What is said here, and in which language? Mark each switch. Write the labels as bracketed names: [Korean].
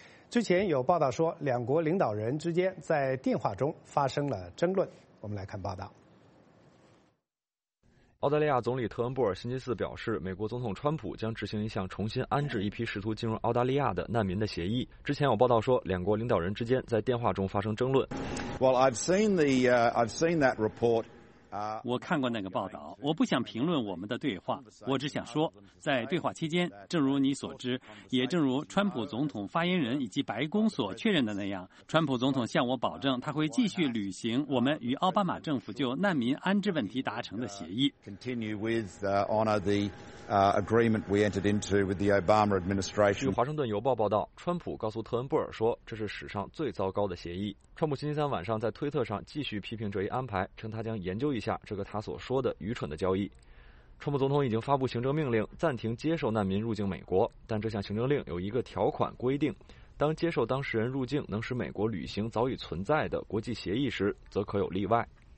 [Chinese] 之前有报道说，两国领导人之间在电话中发生了争论。我们来看报道。澳大利亚总理特恩布尔星期四表示，美国总统川普将执行一项重新安置一批试图进入澳大利亚的难民的协议。之前有报道说，两国领导人之间在电话中发生争论。 [English] Well, I've seen that report, [Chinese] 我看过那个报道，我不想评论我们的对话，我只想说，在对话期间，正如你所知，也正如川普总统发言人以及白宫所确认的那样，川普总统向我保证他会继续履行我们与奥巴马政府就难民安置问题达成的协议。 [English] Continue with honor the agreement we entered into with the Obama administration。 [Chinese] 据《华盛顿邮报》报道，川普告诉特恩布尔说，这是史上最糟糕的协议。川普星期三晚上在推特上继续批评这一安排，称他将研究一下这个他所说的愚蠢的交易。川普总统已经发布行政命令暂停接受难民入境美国，但这项行政令有一个条款规定，当接受当事人入境能使美国履行早已存在的国际协议时，则可有例外。